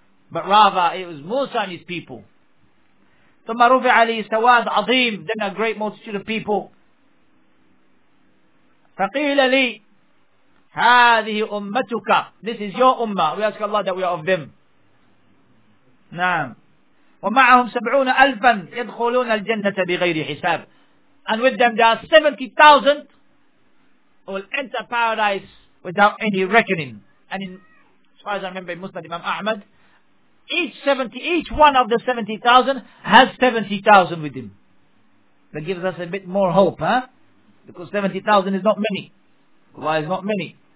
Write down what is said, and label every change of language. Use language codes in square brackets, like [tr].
[en] But rather, it was Musa and his people. [ar] ثم رفع لي سواد عظيم. [en] Then a great multitude of people. [ar] فقيل لي هذه أمتك. [en] This is your ummah. We ask Allah that we are of them. [ar] نعم. ومعهم 70,000 يدخلون الجنة بغير حساب. [en] And with them there are 70,000 who will enter paradise without any reckoning. And in, as far as I remember, in Musnad Imam Ahmad, each one of the 70,000 has 70,000 with him. That gives us a bit more hope, huh? Because 70,000 is not many. Allah is not many.